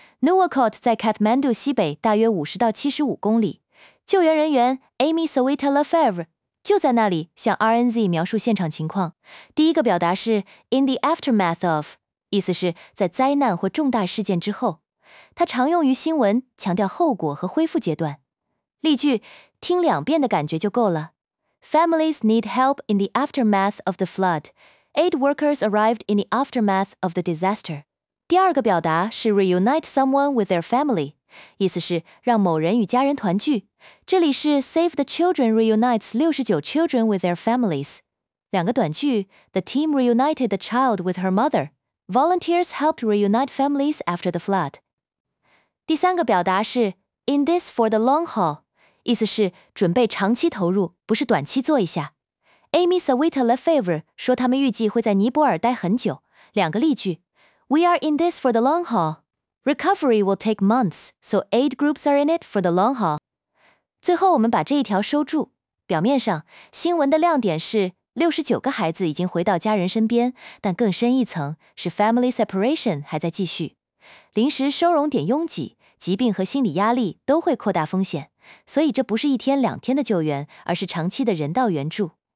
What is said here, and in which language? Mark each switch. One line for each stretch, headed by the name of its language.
Chinese: Nuwakot 在 Kathmandu 西北大约50到75公里，救援人员 Amy Sawita Lefebvre 就在那里向 RNZ 描述现场情况。第一个表达是 in the aftermath of， 意思是在灾难或重大事件之后。它常用于新闻，强调后果和恢复阶段。例句，听两遍的感觉就够了。
English: Families need help in the aftermath of the flood. Aid workers arrived in the aftermath of the disaster.
Chinese: 第二个表达是 reunite someone with their family，意思是让某人与家人团聚，这里是
English: Save the Children reunites 69 children with their families。
Chinese: 两个短句，
English: The team reunited the child with her mother， Volunteers helped reunite families after the flood。
Chinese: 第三个表达是 In this for the long haul， 意思是准备长期投入，不是短期做一下。 Amy Sawita Lefebvre 说他们预计会在尼泊尔待很久。两个例句，
English: We are in this for the long haulRecovery will take months, so aid groups are in it for the long haul.
Chinese: 最后我们把这一条收住。表面上，新闻的亮点是69个孩子已经回到家人身边，但更深一层是 family separation 还在继续。临时收容点拥挤，疾病和心理压力都会扩大风险，所以这不是一天两天的救援，而是长期的人道援助。